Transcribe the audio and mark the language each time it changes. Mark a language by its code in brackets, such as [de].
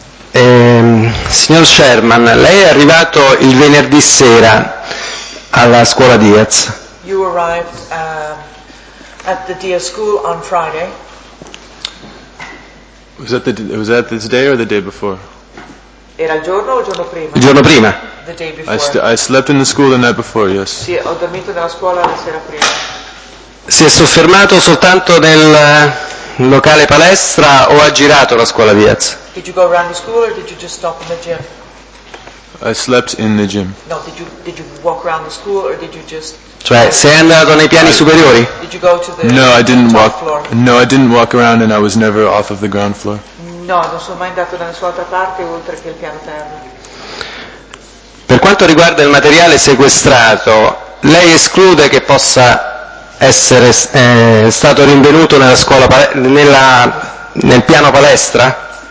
[it] Signor Sherman, lei è arrivato il venerdì sera alla scuola Diaz. [en] You arrived at the Diaz school on Friday. Was that the day or the day before? [it] Era il giorno o il giorno prima? Il giorno prima. [en] The day before. I slept in the school the night before, yes. [it] Sì, ho dormito nella scuola la sera prima. Si è soffermato soltanto nel locale palestra o ha girato la scuola Diaz? [en] Did you go around the school or did you just stop in the gym? I slept in the gym. No, did you walk around the school or did you just? [it] Cioè, sei andato nei piani superiori? [en] Did you go to the No, I didn't top walk. Floor? No, I didn't walk around and I was never off of the ground floor. [it] No, non sono mai andato da nessuna altra parte oltre che il piano terra. Per quanto riguarda il materiale sequestrato, lei esclude che possa essere stato rinvenuto nella scuola nel piano palestra?